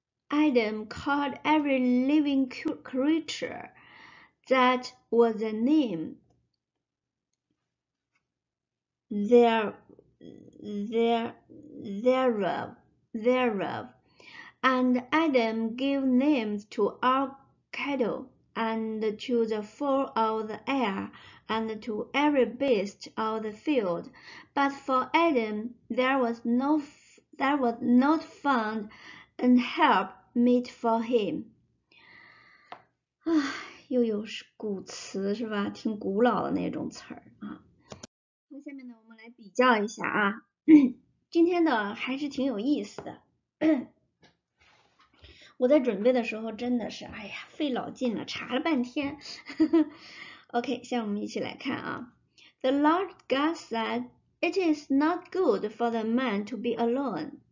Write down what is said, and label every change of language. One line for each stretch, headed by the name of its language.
English: Adam called every living creature that was a name thereof, and Adam gave names to all cattle, and to the fowl of the air, and to every beast of the field. But for Adam there was not found an help meet for him，啊，
Chinese: 又有古词是吧？挺古老的那种词儿啊。那下面呢，我们来比较一下啊，今天的还是挺有意思的。我在准备的时候真的是，哎呀，费老劲了，查了半天。 OK，现在我们一起来看啊。
English: The Lord God said, "It is not good for the man to be alone."